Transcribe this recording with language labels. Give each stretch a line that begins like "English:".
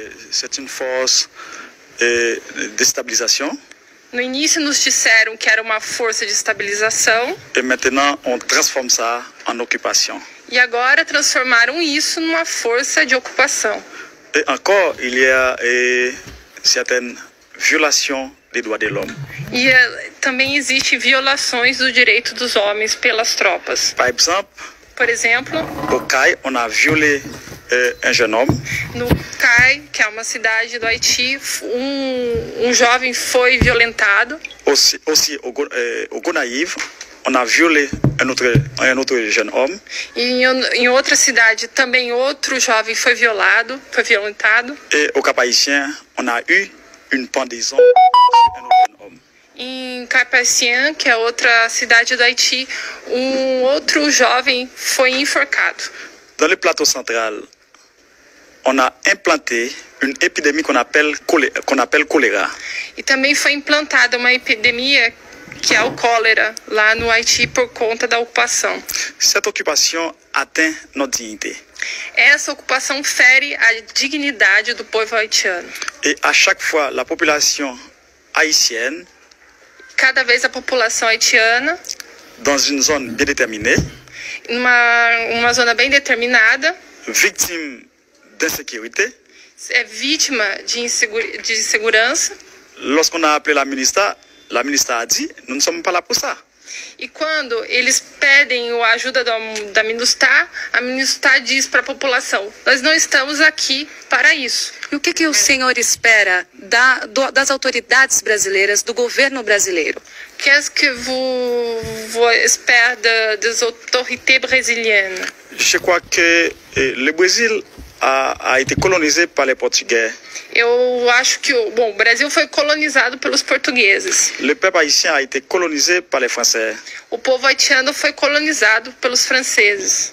French: C'est une force de stabilisation.
Portuguese: No início nos disseram que era uma força de estabilização.
French: Et maintenant on transforme ça en occupation.
Portuguese: E agora transformaram isso numa força de ocupação.
French: Et encore il y a certaines violations des droits de l'homme.
Portuguese: E também existe violações do direito dos homens pelas tropas.
French: Par exemple,
Portuguese: por exemplo,
French: au CAI, on a violé un jeune homme.
Portuguese: No CAI, que é uma cidade do Haiti, um jovem foi violentado.
French: Aussi au Gonaïve, on a violé un autre jeune homme.
Portuguese: E em outra cidade, também outro jovem foi violado, foi violentado.
French: Et au Cap-Haïtien, on a eu une pendaison d'un autre jeune homme.
Portuguese: Em Cap-Haïtien, que é outra cidade do Haiti, outro jovem foi enforcado.
French: Dans le plateau central, on a implanté une épidémie qu'on appelle choléra.
Portuguese: E também foi implantada uma epidemia que é o cólera lá no Haiti por conta da ocupação.
French: Cette occupation atteint notre dignité.
Portuguese: Essa ocupação fere a dignidade do povo haitiano.
French: Et à chaque fois la population haïtienne,
Portuguese: cada vez a população haitiana,
French: dans une zone bien déterminée,
Portuguese: numa zona bem determinada,
French: victime d'insécurité,
Portuguese: é vítima de insegurança.
French: Lorsqu'on a appelé la ministra a dit, nous ne sommes pas là pour ça.
Portuguese: E quando eles pedem a ajuda da Minustah, a Minustah diz para a população, nós não estamos aqui para isso. E o que o senhor espera das autoridades brasileiras, do governo brasileiro? O que é que você espera das autoridades brasileiras?
French: Je crois que le Brésil a été colonisé par les Portugais.
Portuguese: Eu acho que o Brasil foi colonizado pelos portugueses.
French: Le peuple haïtien a été colonisé par les Français.
Portuguese: O povo haitiano foi colonizado pelos franceses.